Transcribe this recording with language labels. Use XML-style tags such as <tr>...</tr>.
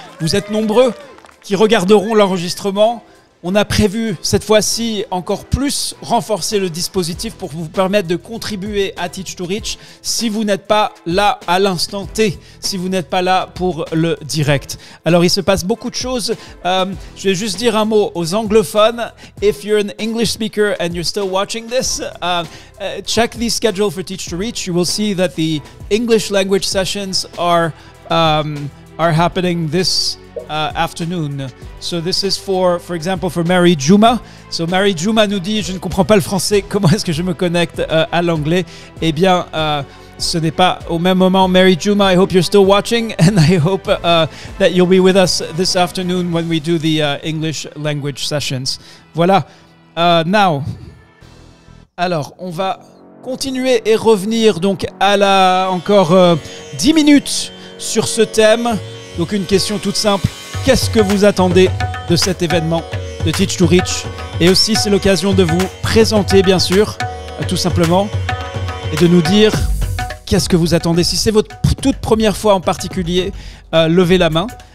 <fr>Vous êtes nombreux qui regarderont l'enregistrement. On a prévu cette fois-ci encore plus renforcer le dispositif pour vous permettre de contribuer à Teach to Reach si vous n'êtes pas là à l'instant T, si vous n'êtes pas là pour le direct. Alors, il se passe beaucoup de choses. Je vais juste dire un mot aux anglophones.</fr> <en>If you're an English speaker and you're still watching this, check the schedule for Teach to Reach. You will see that the English language sessions are happening this afternoon. So this is for example, for Mary Juma.</en> <fr>So Mary Juma nous dit, je ne comprends pas le français, comment est-ce que je me connecte à l'anglais? Eh bien, ce n'est pas au même moment.</fr> <en>Mary Juma, I hope you're still watching and I hope that you'll be with us this afternoon when we do the English language sessions.</en> <fr>Voilà. Now, alors, on va continuer et revenir donc à la encore 10 minutes sur ce thème. Donc une question toute simple, qu'est-ce que vous attendez de cet événement de Teach to Reach? Et aussi c'est l'occasion de vous présenter bien sûr, tout simplement, et de nous dire qu'est-ce que vous attendez. Si c'est votre toute première fois en particulier, levez la main.</fr>